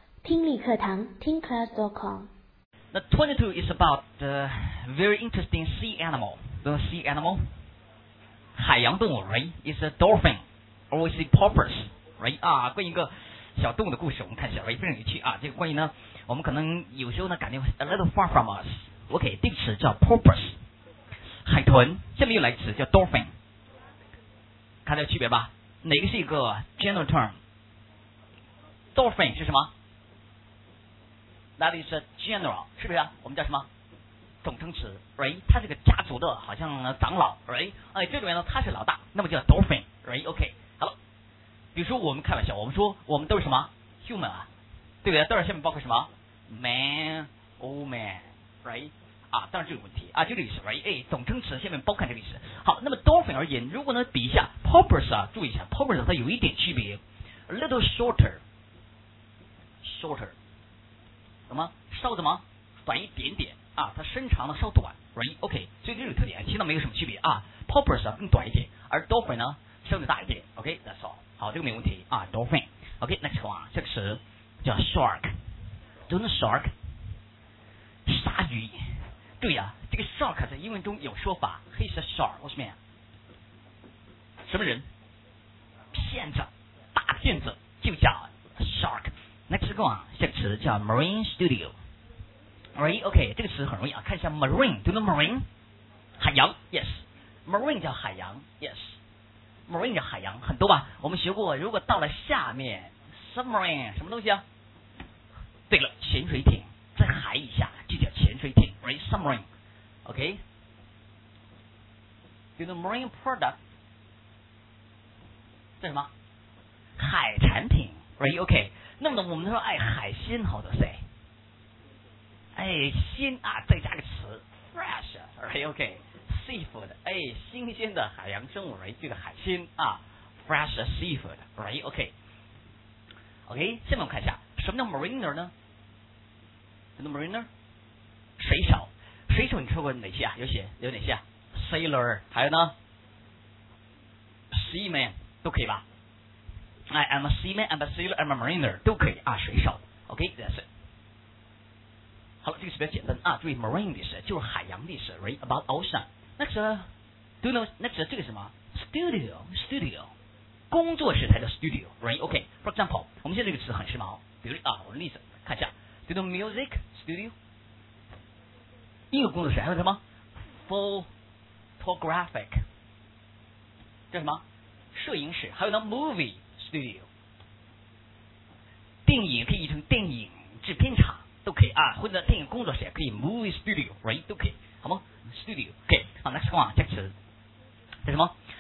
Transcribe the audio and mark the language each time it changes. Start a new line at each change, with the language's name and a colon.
Chinese: 听力课堂，听 class.com。
English: The 22 is about the very interesting sea animal. The sea animal,
Chinese: 海洋动物
English: ，right? It's a dolphin, or is it porpoise, right?
Chinese: 啊，关于一个小动物的故事，我们看一下 ，right? 非常有趣啊。这个关于呢，我们可能有时候呢感觉
English: a little far from us.
Chinese: OK， 这个词叫 porpoise， 海豚。下面又来一词叫 dolphin， 看到区别吧？哪个是一个
English: general term？
Chinese: Dolphin 是什么？
English: That is a general，
Chinese: 是不是、啊、我们叫什么总称词 ？Right， 它是个家族的，好像长老 ，Right， 哎，最重要呢，它是老大，那么叫 dolphin，Right， OK， 好了。比如说我们开玩笑，我们说我们都是什么 human 啊，对不对？当然下面包括什么 man，woman，Right， 啊，当然这个问题啊，这个意思 ，Right， 哎，总称词下面包含这个意思。好，那么 dolphin 而言，如果能比一下 porpoise 啊，注意一下 porpoise 它有一点区别 ，
English: a little shorter。
Chinese: 什么稍怎么短一点点啊，它身长呢稍短 ，right OK， 所以这种特点其实没有什么区别啊。 Porpoise 啊更短一点，而 dolphin 呢稍微大一点 ，
English: OK that's all，
Chinese: 好，这个没问题啊。
English: Dolphin OK next one，
Chinese: 这个词叫 shark， 读成 shark， 鲨鱼。对呀、啊，这个 shark 在英文中有说法 ，
English: he's a shark，
Chinese: 什么呀？什么人？骗子，大骗子，就叫 shark。
English: Next one，
Chinese: 这个词叫 Marine Studio， right？ OK， 这个词很容易啊，看一下 Marine， 读的 Marine， 海洋 ，yes， Marine 叫海洋 ，yes， Marine 叫海洋，很多吧？我们学过，如果到了下面 submarine 什么东西啊？对了，潜水艇，在海以下就叫潜水艇 ，right？ Submarine， OK， 读的
English: Marine product，
Chinese: 这什么？海产品 ，right？ OK。那么我们说，哎，海鲜好的谁？哎，鲜啊，再加个词 ，fresh， right？ OK， seafood， 哎，新鲜的海洋生物 ，right？这个海鲜啊 ，
English: fresh seafood，
Chinese: right？ OK， OK， 下面我们看一下，什么叫 mariner 呢？什么 mariner？水手，水手你说过哪些啊？有哪些啊 ？sailor， 还有呢 ？seaman 都可以吧？
English: I am a seaman, I'm a sailor, I'm a mariner，
Chinese: 都可以啊，水手。
English: OK， that's it。
Chinese: 好了，这个是比较简单啊，注意 marine 的意思就是海洋的意思 ，
English: right about ocean。
Chinese: Next，
English: do you know next
Chinese: 这个是什么 ？Studio， 工作室才叫 studio， right？ OK，
English: for example，
Chinese: 我们现在这个词很时髦，比如啊，我们例子看一下 ，
English: do you know music studio，
Chinese: 音乐工作室，还有什么 ？Photographic， 叫什么？摄影室，还有呢 ，movie。Studio， 电影可以译成电影制片厂都可以啊，或者电影工作室也可以 ，
English: movie studio，
Chinese: right 都可以，好吗 ？Studio， OK， 好 ，next one， 这个词叫什么？